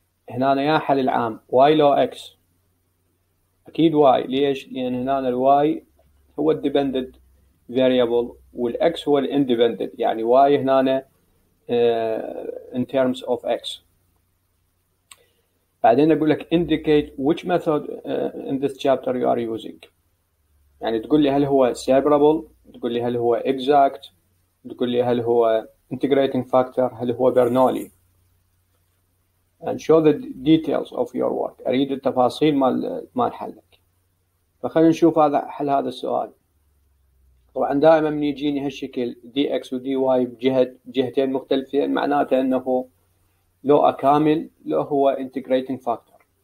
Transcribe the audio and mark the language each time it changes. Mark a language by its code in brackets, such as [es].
[ar] هنا يا حل العام y لو x، أكيد y، ليش؟ لأن هنا الواي هو الديبندد فاريبل والاكس هو الاندبندد، يعني y هنا in terms of x. بعدين أقول لك [en] indicate which method in this chapter you are using، [ar] يعني تقول لي هل هو سيبرابل، تقول لي هل هو exact، تقول لي هل هو integrating factor، هل هو برنولي. [en] And show the details of your work، [ar] أريد التفاصيل مال حلك. فخلينا نشوف هذا حل هذا السؤال. طبعا دائما من يجيني هالشكل dx و dy بجهتين مختلفين، معناته أنه لو أكامل لو هو integrating factor.